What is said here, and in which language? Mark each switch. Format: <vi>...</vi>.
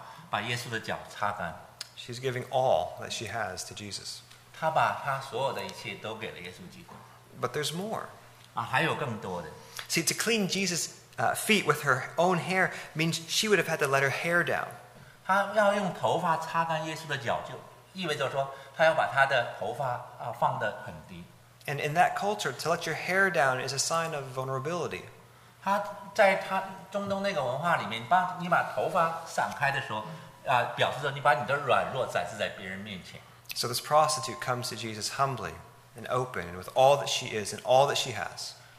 <zh>她在给耶稣基督用香膏抹耶稣的脚的之前，她用她自己的眼泪擦清洗耶稣的脚，并用自己的头发把耶稣的脚擦干。</zh> <en>She's giving all that she has to Jesus.</en> <zh>她把她所有的一切都给了耶稣基督。</zh> <en>But there's more.</en> <zh>还有更多的。</zh> <en>See, to clean Jesus' feet with her own hair means she would have had to let her hair down.</en> <zh>她要用头发擦干耶稣的脚，就意味着说她要把她的头发放得很低。</zh> <en>And in that culture, to let your hair down is a sign of vulnerability.</en> <zh>她在她中东那个文化里面，把你把头发散开的时候，表示着你把你的软弱展示在别人面前。</zh> <en>So this prostitute comes to Jesus humbly. And open and with all that she is and all that she has.</en>